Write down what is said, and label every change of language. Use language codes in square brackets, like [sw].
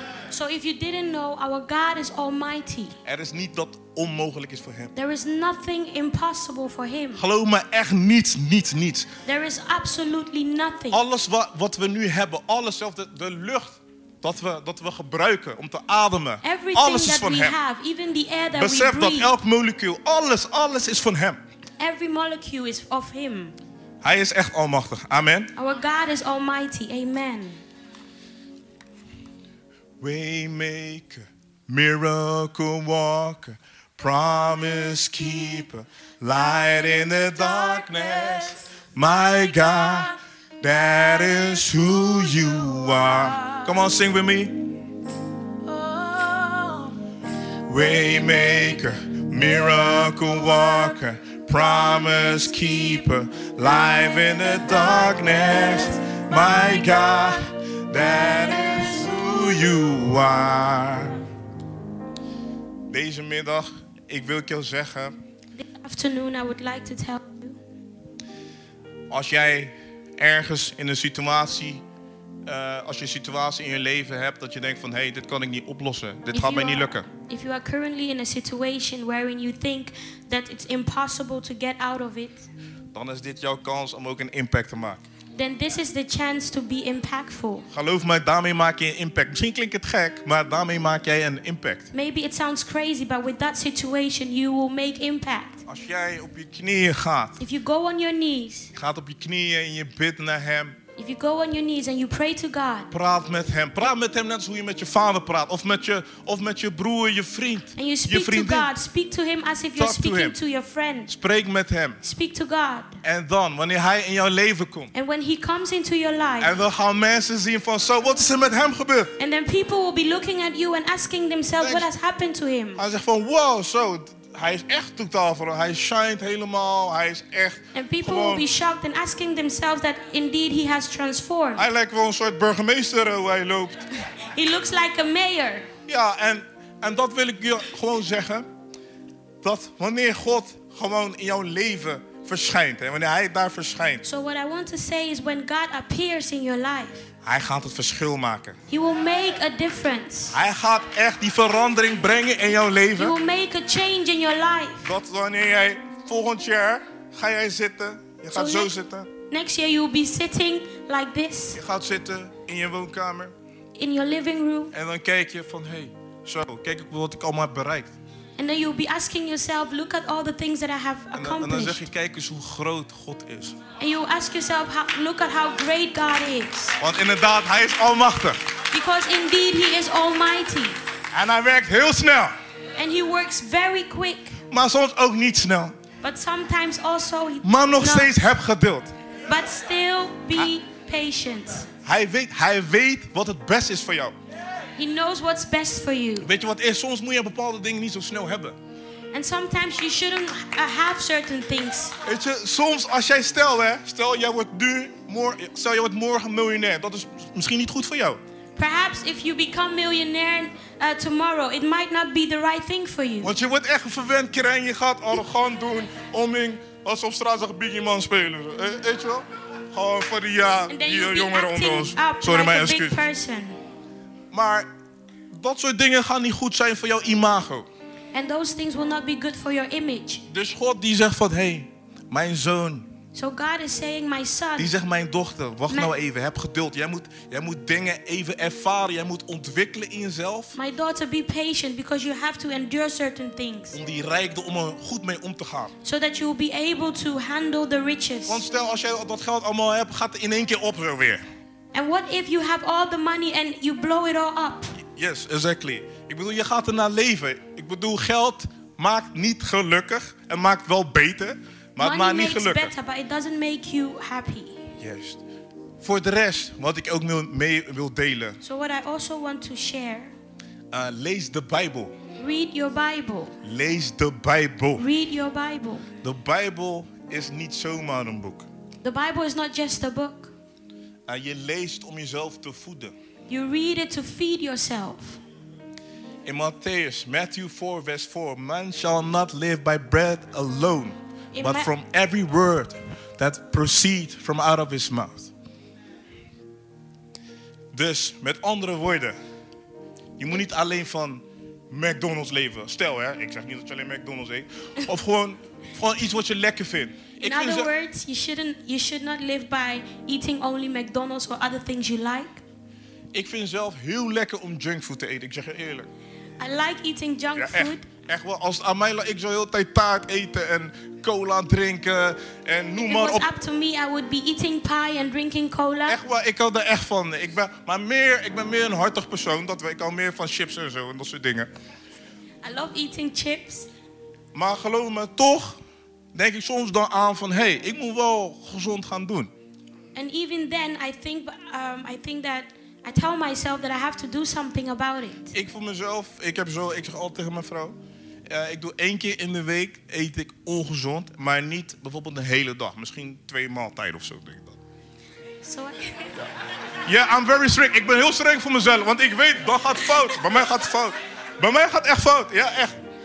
[en] So if you didn't know, our God is almighty. [nl] Er is niet dat onmogelijk is voor hem. [en] There is nothing impossible for him. [nl] Geloof me, echt niets. [en] There is absolutely nothing. [nl] Alles wat we nu hebben, alles zelfs de lucht dat we gebruiken om te ademen. [en] Everything [nl] alles is van hem. [en] Have, even the air that [nl] besef [en] we breathe. [nl] Dat elk molecuul, alles is van hem. [en] Every molecule is of him. [nl] Hij is echt almachtig. Amen. [en] Our God is almighty. Amen. Waymaker, miracle walker, promise keeper, light in the darkness. My God, that is who you are. Come on, sing with me. Waymaker, miracle walker, promise keeper, light in the darkness. My God, that is you are. [nl] Deze middag, ik wil je zeggen. [en] This afternoon, I would like to tell you. [nl] Als jij ergens in een situatie, als je een situatie in je leven hebt dat je denkt van, hey, dit kan ik niet oplossen, dit gaat mij niet lukken. [en] If you are currently in a situation wherein you think that it's impossible to get out of it, [nl] dan is dit jouw kans om ook een impact te maken. [en] Then this is the chance to be impactful. [nl] Geloof me, daarmee maak je een impact. Misschien klinkt het gek, maar daarmee maak jij een impact. [en] Maybe it sounds crazy, but with that situation you will make impact. [nl] Als jij op je knieën gaat. [en] If you go on your knees. [nl] Gaat op je knieën en je bidt naar hem. [en] If you go on your knees and you pray to God. [nl] Praat met hem. Praat met hem net zoals hoe je met je vader praat of met je broer, je vriend. [en] And you speak [nl] je vriendin. [en] To God. Speak to him as if you're speaking to, him. To your friend. [nl] Spreek met hem. [en] Speak to God. [nl] En dan wanneer hij in jouw leven komt. [en] And when he comes into your life. [nl] En dan gaan mensen zien van zo, wat is er met hem gebeurd? [en] And then people will be looking at you and asking themselves what has happened to him. [nl] Hij zegt van wow, zo. Hij is echt totaal veranderd. Hij shined helemaal. Hij is echt. [en] And people [nl] gewoon... [en] will be shocked and asking themselves that indeed he has transformed. [nl] Hij lijkt wel een soort burgemeester hoe hij loopt. [en] He looks like a mayor. [nl] Ja, en dat wil ik je gewoon zeggen. Dat wanneer God gewoon in jouw leven verschijnt. En wanneer hij daar verschijnt. [en] So what I want to say is when God appears in your life. [nl] Hij gaat het verschil maken. [en] He will make a difference. [nl] Hij gaat echt die verandering brengen in jouw leven. [en] He will make a change in your life. [nl] Dat wanneer jij volgend jaar ga jij zitten. Je gaat zo zitten. [en] Next year you will be sitting like this. [nl] Je gaat zitten in je woonkamer. [en] In your living room. [nl] En dan kijk je van hey, zo, kijk wat ik allemaal heb bereikt. [en] And then you'll be asking yourself, look at all the things that I have accomplished. [nl] En dan zeg je, kijk eens hoe groot God is. [en] And you'll ask yourself, look at how great God is. [nl] Want inderdaad, hij is almachtig. [en] Because indeed he is almighty. [nl] En hij werkt heel snel. [en] And he works very quick. [nl] Maar soms ook niet snel. [en] But sometimes also he does. [nl] Maar nog steeds heb geduld. [en] But still be patient. [nl] Hij weet wat het beste is voor jou. [en] He knows what's best for you. [nl] Weet je wat is? Soms moet je bepaalde dingen niet zo snel hebben. [en] And sometimes you shouldn't have certain things. [nl] Weet je, soms als jij stel jij wordt morgen miljonair, dat is misschien niet goed voor jou. [en] Perhaps if you become millionaire tomorrow, it might not be the right thing for you. [nl] Want je wordt echt verwend, krijg je gaat arrogant doen om in alsof straat zag Biggie man spelen. Weet je wel? Gewoon voor die jongeren onder ons. Sorry, like mijn excuses. Maar dat soort dingen gaan niet goed zijn voor jouw imago. [en] And those things will not be good for your image. [nl] Dus God die zegt van, hey, mijn zoon. [en] So God is saying, my son. [nl] Die zegt, mijn dochter, wacht nou even, heb geduld. Jij moet dingen even ervaren. Jij moet ontwikkelen in jezelf. [en] My daughter, be patient because you have to endure certain things. [nl] Om die rijkdom om er goed mee om te gaan. [en] So that you will be able to handle the riches. [nl] Want stel, als jij dat geld allemaal hebt, gaat het in één keer op weer. [en] And what if you have all the money and you blow it all up? Yes, exactly. [nl] Ik bedoel, je gaat ernaar leven. Ik bedoel, geld maakt niet gelukkig. Het maakt wel beter, maar [en] money [nl] het maakt niet gelukkig. [en] Better, but it doesn't make you happy. [nl] Juist. Voor de rest, wat ik ook mee wil delen. [en] So what I also want to share. [nl] Lees de Bijbel. [en] Read your Bible. [nl] Lees de Bijbel. [en] Read your Bible. [nl] De Bijbel is niet zomaar een boek. [en] The Bible is not just a book. [nl] Je leest om jezelf te voeden. [en] You read it to feed yourself. In Matthew 4, verse 4. Man shall not live by bread alone, but from every word that proceeds from out of his mouth. [nl] Dus, met andere woorden. Je moet niet alleen van McDonald's leven. Stel, hè. Ik zeg niet dat je alleen McDonald's eet. Of gewoon iets wat je lekker vindt. [en] In other words, you should not live by eating only McDonald's or other things you like. [nl] Ik vind zelf heel lekker om junkfood te eten. Ik zeg je eerlijk. [en] I like eating junk food. [nl] Echt wel. Als aan mij lag, ik zou heel de tijd taart eten en cola drinken en noem maar op. [en] If it was up to me, I would be eating pie and drinking cola. [nl] Echt wel. Ik hou er echt van. Ik ben meer een hartig persoon. Ik hou meer van chips en zo en dat soort dingen. [en] I love eating chips. [nl] Maar geloof me, toch denk ik soms dan aan van, hey, ik moet wel gezond gaan doen. [en] And even then, I think that. I tell myself that I have to do something about it. [nl] Ik voor mezelf, ik zeg altijd tegen mijn vrouw. Ik doe één keer in de week eet ik ongezond, maar niet bijvoorbeeld de hele dag. Misschien twee maaltijden of zo, denk ik dan. Sorry. [en] Yeah, I'm very strict. [nl] Ik ben heel streng voor mezelf, want ik weet, dat gaat fout. Bij mij gaat het fout. Bij mij gaat echt fout. Ja, echt.